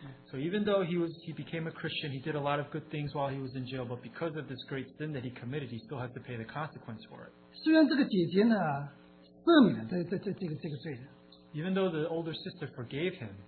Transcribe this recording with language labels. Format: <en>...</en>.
<en>So even though he became a Christian, he did a lot of good things while he was in jail, but because of this great sin that he committed, he still has to pay the consequence for it.</en> <zh>虽然这个姐姐呢赦免了这个罪的,</zh> <en>even though the older sister forgave him,</en>